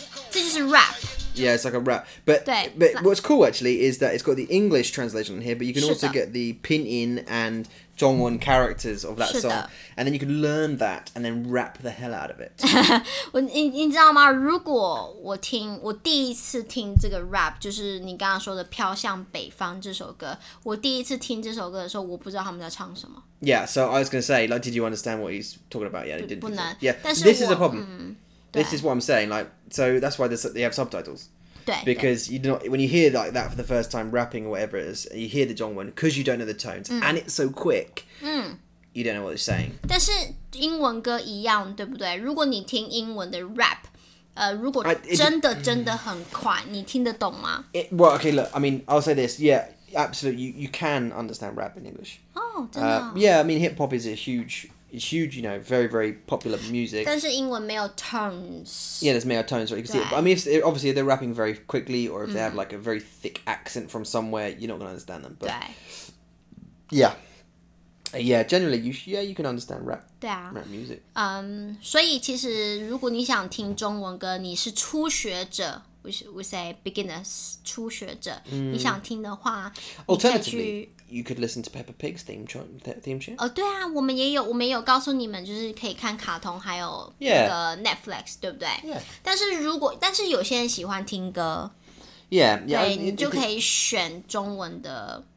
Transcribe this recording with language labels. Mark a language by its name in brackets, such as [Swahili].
[Chinese] 这就是 rap. [English] Yeah, it's like a rap. But what's cool, actually, is that it's got the English translation in here, but you can also get the pinyin and Zhongwen characters of that song. And then you can learn that and then rap the hell out of it. [Chinese] 你知道吗？如果我听，我第一次听这个 rap, 就是你刚刚说的《飘向北方》这首歌，我第一次听这首歌的时候，我不知道他们在唱什么。 [English] Yeah, so I was going to say, like, did you understand what he's talking about? Yeah, he didn't. [Chinese] 不能。 [English] Yeah, this is a problem. This is what I'm saying, like, so that's why they have subtitles. [Chinese] 对。 [English] Because you don't, when you hear like that for the first time, rapping or whatever it is, you hear the Zhongwen, because you don't know the tones, and it's so quick, you don't know what they're saying. [Chinese] 但是英文歌一样，对不对？如果你听英文的 rap, 如果真的真的很快，你听得懂吗？ [English] Well, okay, look, I mean, I'll say this, yeah, absolutely, you can understand rap in English. [Chinese] Oh, 真的？ [English] Yeah, I mean, hip-hop is a huge... It's huge, you know, very, very popular music. [Chinese] 但是英文没有 tones. [English] Yeah, there's 没有 tones, right? You can see it. But, I mean, if, obviously, if they're rapping very quickly or if they have, like, a very thick accent from somewhere, you're not going to understand them. But, yeah. Yeah, generally, you can understand rap music. [Chinese] 所以其实如果你想听中文歌，你是初学者。 [English] We say beginners, [Chinese] 初学者、你想听的话 [English] Alternatively, you could listen to Peppa Pig's theme tune. [Chinese] 对啊，我们也有告诉你们，就是可以看卡通，还有那个 Netflix, 对不对？ [English] Yeah. [Chinese] 但是有些人喜欢听歌。 [English] Yeah, yeah. [Chinese] 对，你就可以选中文的。